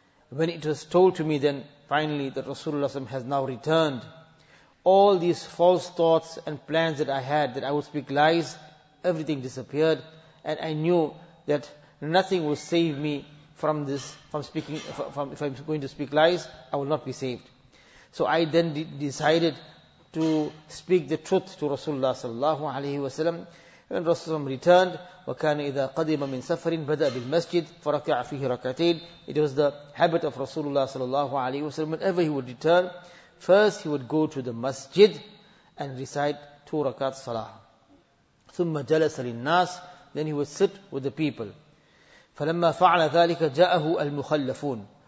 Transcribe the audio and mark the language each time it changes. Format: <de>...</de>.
<en>When it was told to me then, finally, that Rasulullah has now returned, all these false thoughts and plans that I had, that I would speak lies, everything disappeared, and I knew that nothing will save me from this, from speaking, from if I'm going to speak lies, I will not be saved. So I then decided to speak the truth to Rasulullah sallallahu alaihi wasallam. When Rasulullah returned,</en> <ar>وَكَانَ إِذَا قَدِمَ مِنْ سَفَرٍ بَدَأَ بِالْمَسْجِدِ فَرَكَعَ فِيهِ رَكَعَتَيْنِ.</ar> <en>It was the habit of Rasulullah sallallahu alaihi wasallam. Whenever he would return, first he would go to the masjid and recite two rakat salah.</en> <ar>ثُمَّ جَلَسَ لِلنَّاسِ.</ar> <en>Then he would sit with the people.</en> <ar>فَلَمَّا فَعْلَ ذَلِكَ جَاءَهُ الْمُخَلَّفُونَ.</ar>